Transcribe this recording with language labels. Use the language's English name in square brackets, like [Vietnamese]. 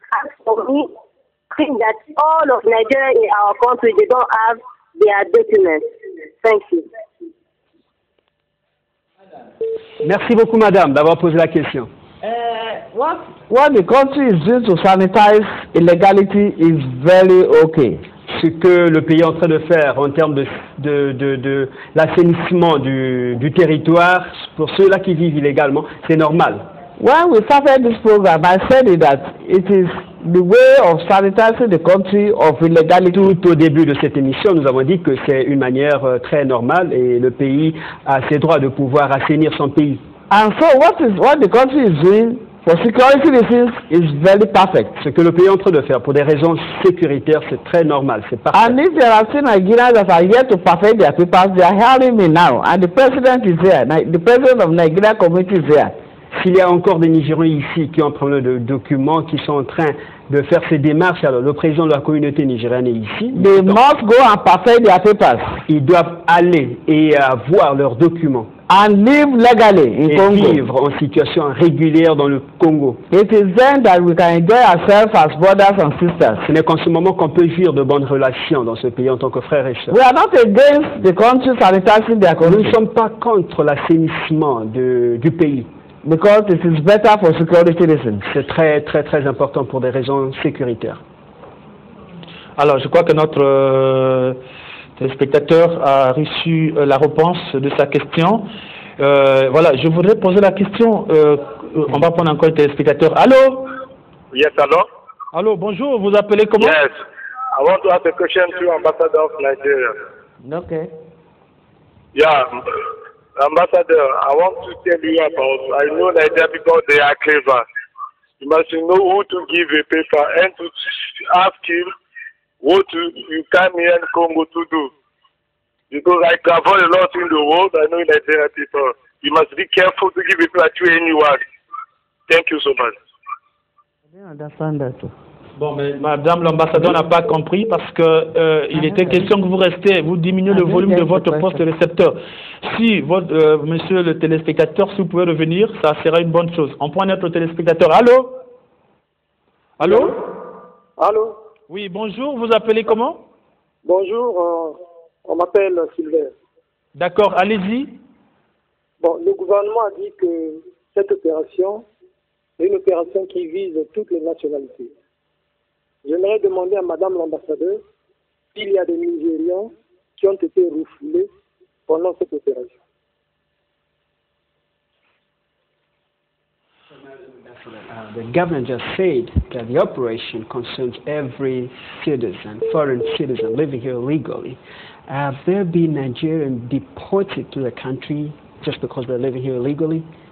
[English] As for me, I think that all of Nigeria in our country, they don't have their business. Thank you. [French] Merci beaucoup, madame, d'avoir posé la question. [English] What the country is doing to sanitize illegality is very okay. [French] Ce que le pays est en train de faire en termes de l'assainissement du territoire pour ceux-là qui vivent illégalement, c'est normal. [English] When we started this program, I said that it is the way of sanitizing the country of illegality. [French] Tout au début de cette émission, nous avons dit que c'est une manière très normale et le pays a ses droits de pouvoir assainir son pays. [English] And so what the country is doing for security reasons is very perfect. [French] Ce que le pays est en train de faire pour des raisons sécuritaires, c'est très normal, c'est parfait. [English] And if there are still Nigerians that are yet to perfect their papers, they are hearing me now. And the president is there, the president of Nigeria community is there. [French] S'il y a encore des Nigérians ici qui ont un problème de documents, qui sont en train de faire ces démarches, alors le président de la communauté nigérienne est ici. [English] They must go and perfect their papers. [French] Ils doivent aller et voir leurs documents. [English] And live legally in [French] et [English] Congo. [French] Vivre en situation régulière dans le Congo. [English] It is then that we can enjoy ourselves as brothers and sisters. [French] Ce n'est qu'en ce moment qu'on peut jouir de bonnes relations dans ce pays en tant que frères et sœurs. [English] We are not against the country sanitizing their country. [French] Nous ne sommes pas contre l'assainissement du pays. [English] Because it is better for security reasons. [French] C'est très très très important pour des raisons sécuritaires. Alors, je crois que notre le spectateur a reçu la réponse de sa question. Voilà, je voudrais poser la question. On va prendre encore le téléspectateur. Allô? [English] Yes, allô? [French] Allô, bonjour, vous appelez comment? [English] Yes, I want to ask a question to Ambassador of Nigeria. Ok. Yeah, Ambassador, I want to tell you about, I know Nigeria because they are clever. You must know who to give a paper and to ask him what you come here in Congo to do. Because I travel a lot in the world, I know Nigerian people. You must be careful to give people to anyone. Thank you so much. I don't understand that. [French] Bon, mais madame l'ambassadeur n'a pas compris parce que il était question que vous restez, vous diminuez le volume de votre poste récepteur. Si, votre, monsieur le téléspectateur, si vous pouvez revenir, ça sera une bonne chose. On prend notre téléspectateur. Allô? Allô? Allô? Oui, bonjour, vous appelez comment? Bonjour, on m'appelle Sylvain. D'accord, allez-y. Bon, le gouvernement a dit que cette opération est une opération qui vise toutes les nationalités. J'aimerais demander à madame l'ambassadeur s'il y a des Nigérians qui ont été refoulés pendant cette opération. [English] The government just said that the operation concerns every citizen, foreign citizen living here illegally. Have there been Nigerians deported to the country just because they're living here illegally?